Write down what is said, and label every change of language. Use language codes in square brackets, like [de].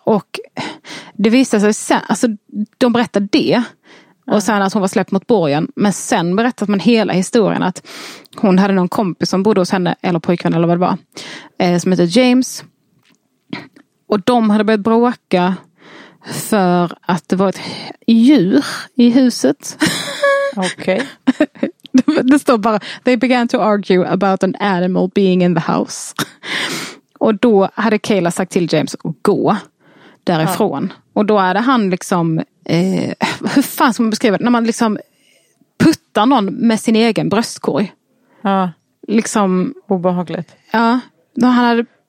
[sv] Och det visade sig sen, alltså de berättade det och sen att hon var släppt mot borgen, men sen berättade man hela historien att hon hade någon kompis som bodde hos henne, eller pojkvän eller vad det var, som heter James, och de hade börjat bråka för att det var ett djur i huset. Okej. [en] Okay. [sv] Det står bara, [en] they began to argue about an animal being in the house. [sv] Och då hade Kayla sagt till James att gå därifrån. Ja. Och då hade han liksom, hur fan ska man beskriva det? När man liksom puttar någon med sin egen bröstkorg. Ja. Liksom. Obehagligt. Ja. Då han hade...